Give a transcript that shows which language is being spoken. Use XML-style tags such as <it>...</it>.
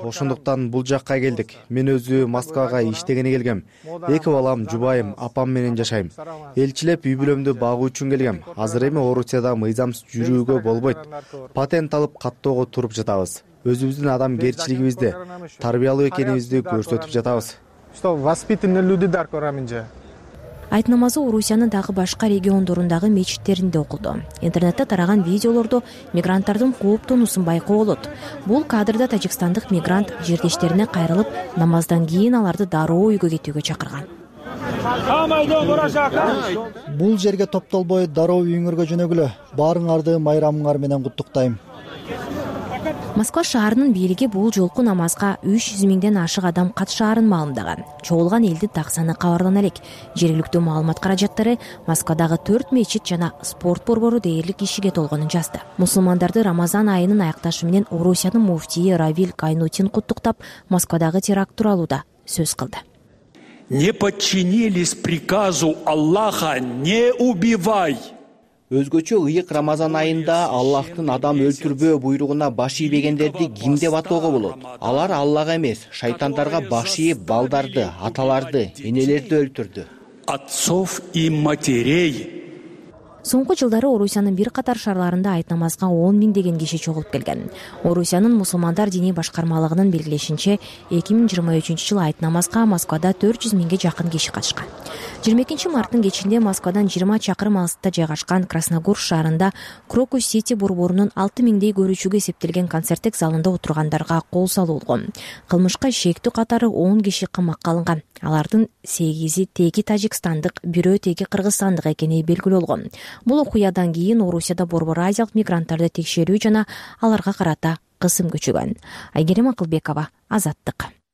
<ky>Ошондуктан бул жакка келдик. Мен өзү Москвага иштегени келгем. Эки балам, жубайым, апам менен жашайм. Элчилеп үй бүлөмдү багуу үчүн келгем. Азыр эми Орусияда мыйзамсыз жүрүүгө болбойт. Патент алып каттоого туруп жатабыз. Өзүбүздүн адамгерчилигибизди, тарбиялуу экенибизди көрсөтүп жатабыз.</ky> <ru>Что воспитанные люди</ru> <tg>дар кораминже.</tg> <ky>Айт намазы Орусиянын дагы башка региондорундагы мечиттеринде окулду. Интернетте тараган видеолордо мигранттардын кооптонуусун байкоо болот. Бул кадрда тажикстандык мигрант жердештерине кайрылып, намаздан кийин аларды дароо үйгө кетүүгө чакырган. Бул жерге топтолбой дароо үйүңөргө жөнөгүлө. Баарыңарды майрамыңар менен куттуктайм. Москва шаарынын бийлиги бул жолку намазга 300 миңден ашык адам катышаарын маалымдаган. Чогулган элди так саны кабарлана элек. Жергиликтүү маалымат каражаттары Москвадагы 4 мечит жана спорт борбору дээрлик ишиге толгонун жазды. Мусулмандарды Рамазан айынын аякташы менен Орусиянын муфтии Равиль Кайнутин куттуктап, Москвадагы теракт тууралуу да сөз кылды.</ky> <ru>Не подчинились приказу Аллаха, не убивай.</ru> <ky>Өзгөчө ыйык Рамазан айында Аллахтын адам өлтүрбөө буйругуна баш ийбегендерди ким деп атоого болот? Алар Аллага эмес, шайтандарга баш ийип балдарды, аталарды, энелерди өлтүрдү.</ky> <ru>Отцов и матерей.</ru> <ky>Соңку жылдары Орусиянын бир катар шаарларында айт намазга 10 миң деген киши чогулуп келген. Орусиянын мусулмандар диний башкармалыгынын белгилешинче 2023 жылы айт намазга Москвада 400 миңге жакын киши катышкан. 22 марттын кечинде Москвадан 20 чакырым алыстыкта жайгашкан Красногорск шаарында Крокус Сити борборунун 6 миңдей көрүүчүгө эсептелген концерттик залында отургандарга кол салуу болгон. Кылмышка шектүү катары 10 киши камакка алынган. Алардын 8-и теги тажикстандык, бирөө теги кыргызстандык экени белгилүү болгон. Бул окуядан кийин Орусияда борбор азиялык мигранттарды текшерүү жана аларга карата кысым күчөгөн. Айгерим Акылбекова, Азаттык.</ky>